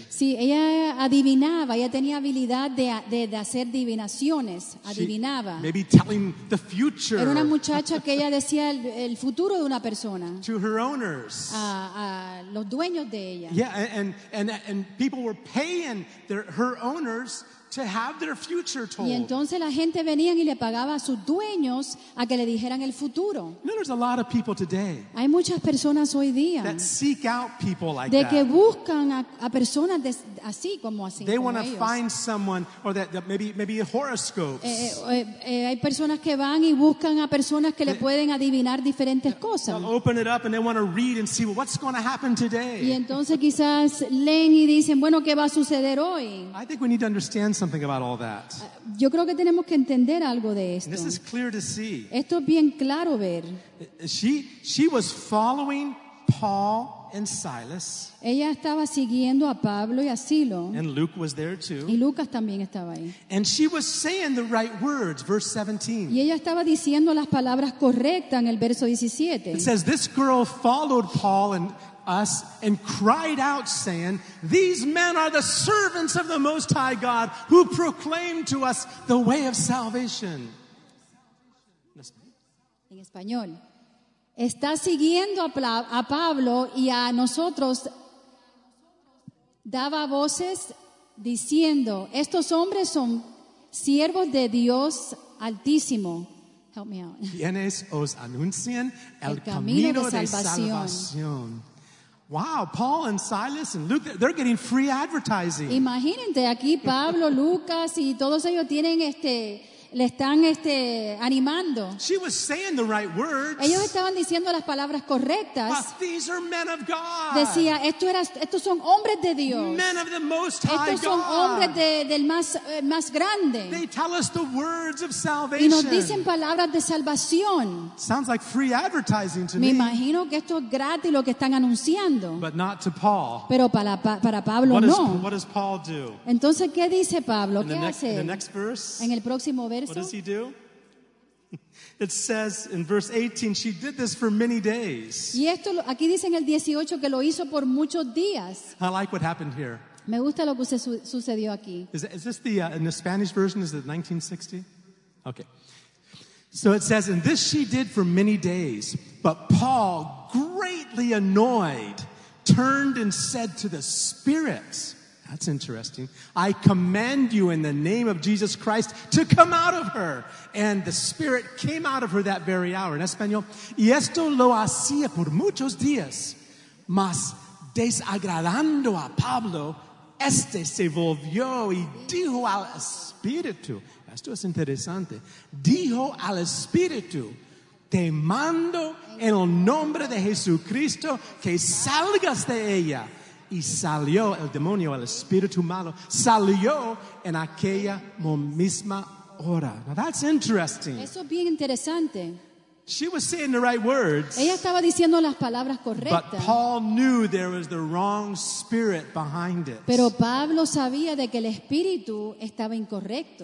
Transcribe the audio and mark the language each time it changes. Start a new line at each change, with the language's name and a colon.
Spanish: Sí, ella adivinaba, ella tenía habilidad de hacer divinaciones, adivinaba.
English: Maybe telling the future.
Spanish: Era una muchacha que ella decía el futuro de una persona.
English: To her owners.
Spanish: A los dueños de ella.
English: Yeah, and people were paying her owners to have their future told.
Spanish: Y entonces la gente venían y le pagaba a sus dueños a que le dijeran el futuro.
English: You know, there's a lot of people today.
Spanish: Hay muchas personas hoy día.
English: That seek out people like
Spanish: de
English: that.
Spanish: De que buscan a personas de, así como así.
English: They want to find someone or that maybe horoscopes.
Spanish: Hay personas que van y buscan a personas que le pueden adivinar diferentes cosas.
English: They'll open it up and they want to read and see, well, what's going to happen today.
Spanish: Y entonces quizás leen y dicen, bueno, ¿qué va a suceder hoy?
English: I think we need to understand something about all that.
Spanish: Yo creo que tenemos que entender algo de esto.
English: And this is clear to see.
Spanish: Esto es bien claro ver.
English: She was following Paul and Silas.
Spanish: Ella estaba siguiendo a Pablo y a Silo.
English: And Luke was there too.
Spanish: Y Lucas también estaba ahí.
English: And she was saying the right words, verse 17.
Spanish: Y ella estaba diciendo las palabras correctas en el verso 17.
English: It says, this girl followed Paul and us and cried out saying, these men are the servants of the Most High God who proclaim to us the way of salvation.
Spanish: En español. Está siguiendo a Pablo y a nosotros daba voces diciendo, estos hombres son siervos de Dios Altísimo.
English: Help me out.
Spanish: Quienes os anuncian el camino de salvación.
English: Wow, Paul and Silas and Luke, they're getting free advertising.
Spanish: Imagínense aquí Pablo, Lucas y todos ellos tienen le están animando.
English: She was saying the right words.
Spanish: Ellos estaban diciendo las palabras correctas.
English: But these are men of God.
Spanish: Decía, estos son hombres de Dios.
English: Men of the Most High God.
Spanish: Estos son hombres del más grande.
English: They tell us the words of salvation.
Spanish: Y nos dicen palabras de salvación.
English: Sounds like free advertising to me.
Spanish: Me imagino que esto es gratis lo que están anunciando.
English: But not to Paul.
Spanish: Pero para Pablo
English: what
Spanish: no.
English: What does Paul do?
Spanish: Entonces, ¿qué dice Pablo?
English: In
Spanish: ¿qué hace?
English: In the next verse.
Spanish: En el próximo.
English: What does he do? It says in verse 18, she did this for many days.
Spanish: Y esto, aquí dice en el 18 que lo hizo por muchos días.
English: I like what happened here.
Spanish: Me gusta lo que sucedió aquí.
English: Is this in the Spanish version, is it 1960? Okay. So it says, and this she did for many days, but Paul, greatly annoyed, turned and said to the Spirit, That's interesting. I command you in the name of Jesus Christ to come out of her. And the spirit came out of her that very hour.
Spanish: En español, y esto lo hacía por muchos días. Mas desagradando a Pablo, este se volvió y dijo al espíritu. Esto es interesante. Dijo al espíritu, te mando en el nombre de Jesucristo que salgas de ella. Y salió el demonio, el espíritu malo, salió en aquella misma hora.
English: Now that's interesting.
Spanish: Eso es bien interesante.
English: She was saying the right words.
Spanish: Ella estaba diciendo las palabras correctas.
English: But Paul knew there was the wrong spirit behind it.
Spanish: Pero Pablo sabía de que el espíritu estaba incorrecto.